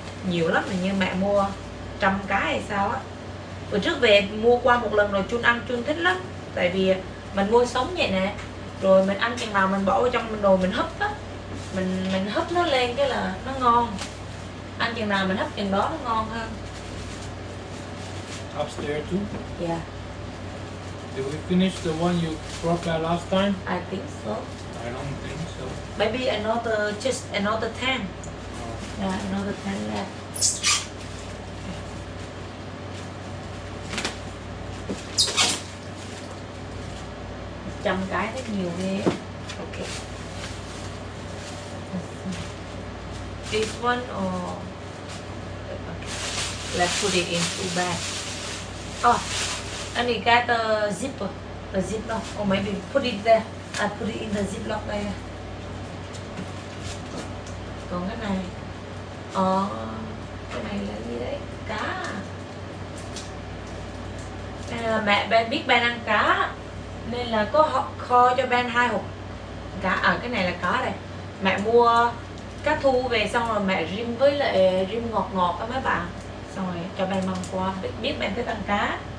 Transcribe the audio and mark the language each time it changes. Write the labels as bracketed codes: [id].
[vi] Nhiều lắm, mình như mẹ mua 100 cái hay sao á. Bữa trước về mua qua một lần rồi Chun ăn, Chun thích lắm. Tại vì mình mua sống vậy nè, rồi mình ăn chừng nào mình bỏ vào trong đồ mình hấp á, mình hấp nó lên cái là nó ngon. Ăn chừng nào mình hấp chừng đó nó ngon hơn. [en] Upstairs too? Yeah. Did we finish the one you brought back last time? I think so. I don't think so. Maybe another, just another 10. Oh. Yeah, another 10 left. [vi] Trăm cái rất nhiều ghê. Ok. [en] This one or... Okay. Let's put it in two bags. Oh. And you got a zipper, a ziplock, or maybe put it there. I put it in the ziplock there. [vi] Còn cái này, ờ, cái này là gì đấy? Cá. Đây là mẹ Ben biết Ben ăn cá, nên là có kho cho Ben 2 hộp cá. À, cái này là cá đây. Mẹ mua cá thu về xong rồi mẹ rim với lại rim ngọt ngọt á mấy bạn, xong rồi cho Ben mang qua. Biết Ben thích ăn cá.